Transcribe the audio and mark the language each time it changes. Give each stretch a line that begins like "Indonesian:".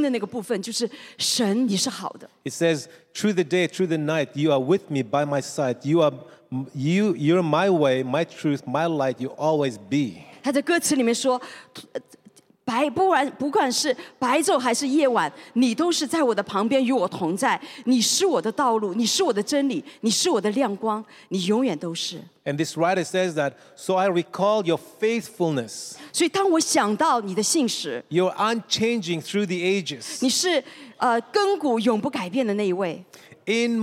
Chinese: 所以今天当我来敬拜的时候，我好像触摸到这个人他最核心的那个部分，就是神你是好的。
English: It says, "Through the day, through the night, you are with me by my side. You're my way, my truth, my light. You always be."
Chinese: 他在歌词里面说。不管是白昼还是夜晚，你都是在我的旁边，与我同在。你是我的道路，你是我的真理，你是我的亮光，你永远都是。And
English: this writer says that, "So I recall your faithfulness."
Chinese: 所以当我想到你的信实。You're
English: unchanging through the ages.
Chinese: 你是亘古永不改变的那一位。In